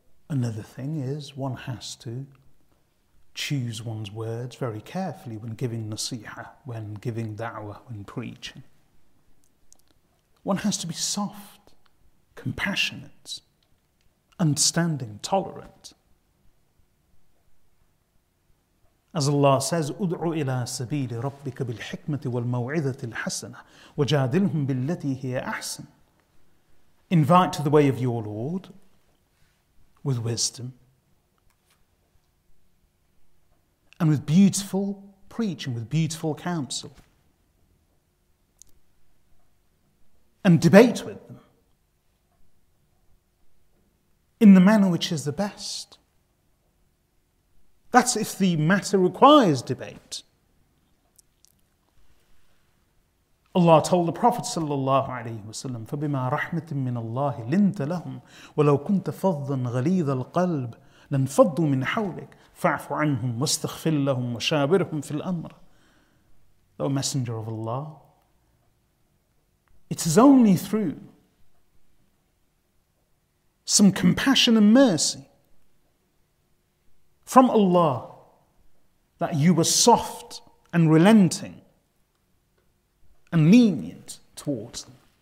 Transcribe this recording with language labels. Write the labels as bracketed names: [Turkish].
[English] Another thing is one has to choose one's words very carefully when giving nasiha, when giving da'wah, when preaching. One has to be soft, compassionate, understanding, tolerant. [Arabic] As Allah says, أُدْعُ إِلَىٰ سَبِيلِ رَبِّكَ بِالْحِكْمَةِ وَالْمَوْعِذَةِ الْحَسَنَةِ وَجَادِلْهُمْ بِالَّتِي هِيَ أَحْسَنَ. [English] Invite to the way of your Lord with wisdom and with beautiful preaching, with beautiful counsel. And debate with them in the manner which is the best. That's if the matter requires debate. [Arabic] Allah told the Prophet sallallahu alaihi wasallam, فَبِمَا رَحْمَةٍ مِّنَ اللَّهِ لِنْتَ لَهُمْ وَلَوْ كُنْتَ فَضًّا غَلِيظَ الْقَلْبِ لَنْفَضُّوا مِنْ حَوْلِكَ فَاعْفُ عَنْهُمْ وَاسْتَغْفِرْ لَهُمْ وَشَابِرْهُمْ فِي الْأَمْرِ. [English] O Messenger of Allah, it is only through some compassion and mercy from Allah that you were soft and relenting and lenient towards them.